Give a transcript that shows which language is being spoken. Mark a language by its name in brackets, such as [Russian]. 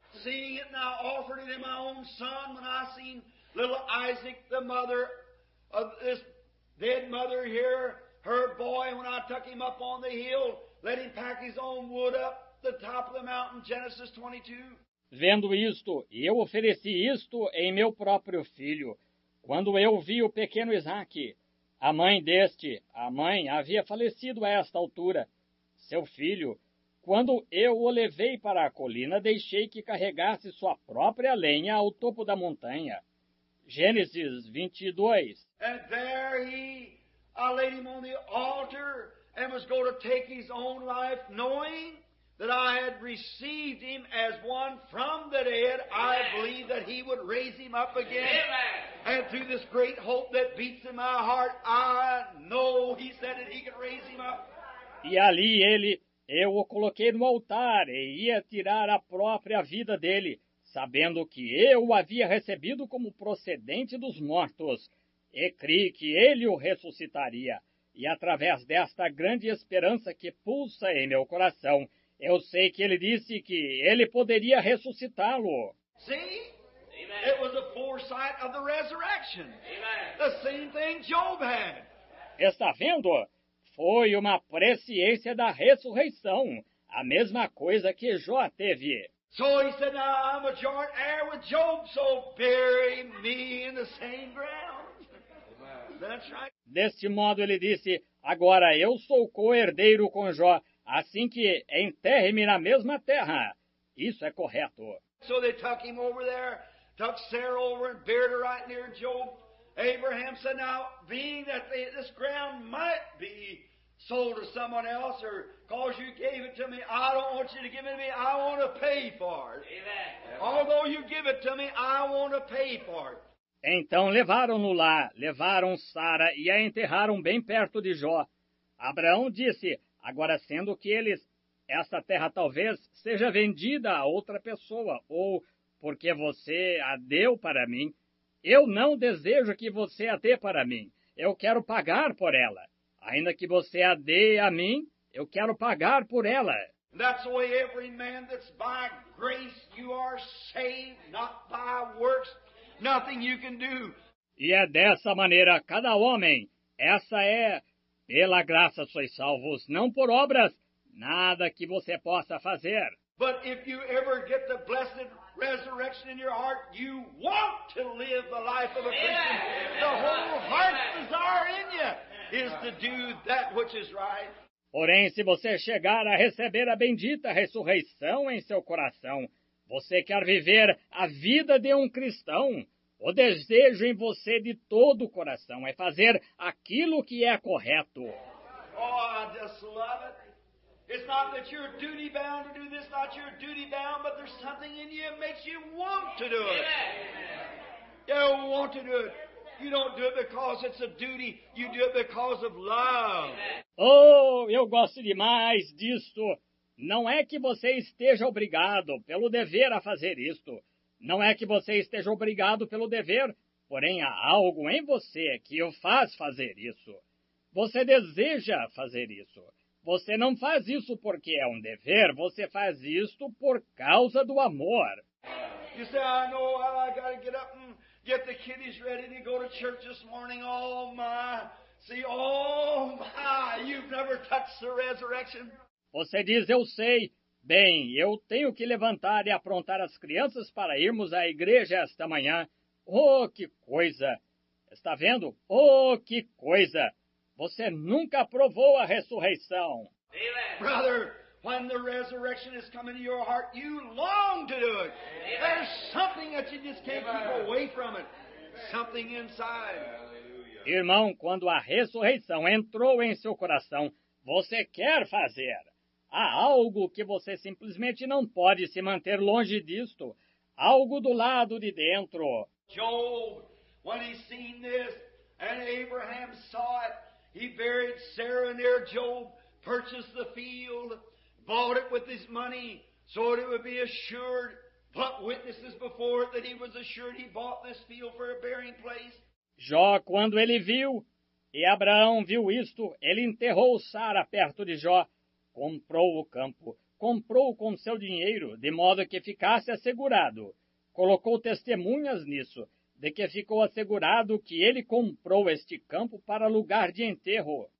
[English] seeing it now offered it in my own son when I seen little Isaac, the mother of this dead mother here, her boy, when I took him up on the hill, let him pack his own wood up the top of the mountain, Genesis 22. [Portuguese] Vendo isto, e eu ofereci isto em meu próprio filho, quando eu vi o pequeno Isaac, a mãe deste, a mãe havia falecido a esta altura, seu filho, quando eu o levei para a colina, deixei que carregasse sua própria lenha ao topo da montanha. Gênesis 22. [English] And there he, I laid him on the altar and was going to take his own life, knowing that I had received him as one from the dead. I believe that he would raise him up again. And through this great hope that beats in my heart, I know he said that he could raise him up. [Portuguese] E ali ele... Eu o coloquei no altar e ia tirar a própria vida dele, sabendo que eu o havia recebido como procedente dos mortos, e crie que ele o ressuscitaria. E através desta grande esperança que pulsa em meu coração, eu sei que ele disse que ele poderia ressuscitá-lo. Sim? [English] It was a foresight of the resurrection. Amen. The same thing Job had. [Portuguese] Está vendo? Foi uma presciência da ressurreição, a mesma coisa que Jó teve. [English] So he said, now I'm a joint heir with Job, so bury me in the same ground. That's right. [Portuguese] Deste modo ele disse, agora eu sou co-herdeiro com Jó, assim que enterre-me na mesma terra. Isso é correto. [English] So they took him over there, took Sarah over and buried her right near Job. Abraham said, now, being that this ground might be sold to someone else, or because you gave it to me, I don't want you to give it to me, I want to pay for it. Amen. Although you give it to me, I want to pay for it. [Portuguese] Então levaram-no lá, levaram Sara e a enterraram bem perto de Jó. Abraão disse, agora sendo que eles, esta terra talvez seja vendida a outra pessoa, ou porque você a deu para mim, eu não desejo que você a dê para mim. Eu quero pagar por ela. Ainda que você a dê a mim, eu quero pagar por ela. [English] That's the way every man that's by grace you are saved, not by works, nothing you can do. [Portuguese] E é dessa maneira, cada homem, essa é, pela graça sois salvos, não por obras, nada que você possa fazer. [English] But if you ever get the blessed resurrection in your heart, you want to live the life of a Christian. Amen. The whole heart's desire in you is to do that which is right. [Portuguese] Porém, se você chegar a receber a bendita ressurreição em seu coração, você quer viver a vida de um cristão. O desejo em você de todo o coração é fazer aquilo que é correto. [English] Oh, I just love it. It's not that you're duty-bound to do this, not you're duty-bound, but there's something in you that makes you want to do it. Amen. You don't want to do it. You don't do it because it's a duty. You do it because of love. [Portuguese] Oh, eu gosto demais disto. Não é que você esteja obrigado pelo dever a fazer isto. Não é que você esteja obrigado pelo dever, porém há algo em você que o faz fazer isso. Você deseja fazer isso. Você não faz isso porque é um dever, você faz isto por causa do amor. [English] You say, I know I gotta get up and get the kiddies ready to go to church this morning. Oh my, see, oh my, you've never touched the resurrection. [Portuguese] Você diz, eu sei, Bem, eu tenho que levantar e aprontar as crianças para irmos à igreja esta manhã. Oh, que coisa! Está vendo? Oh, que coisa! Você nunca provou a ressurreição. [English] Amen. Brother, when the resurrection has come into your heart, you long to do it. Amen. There's something that you just can't keep away from it. Amen. Something inside. Hallelujah. [Portuguese] Irmão, quando a ressurreição entrou em seu coração, você quer fazer. Há algo que você simplesmente não pode se manter longe disto. Algo do lado de dentro. [English] Job, when he seen this, and Abraham saw it, he buried Sarah near Job, purchased the field, bought it with his money, so that it would be assured, put witnesses before it that he was assured he bought this field for a burying place. [Portuguese] Jó, quando ele viu, e Abraão viu isto, ele enterrou Sara perto de Jó, comprou o campo, comprou com seu dinheiro, de modo que ficasse assegurado. Colocou testemunhas nisso, de que ficou assegurado que ele comprou este campo para lugar de enterro.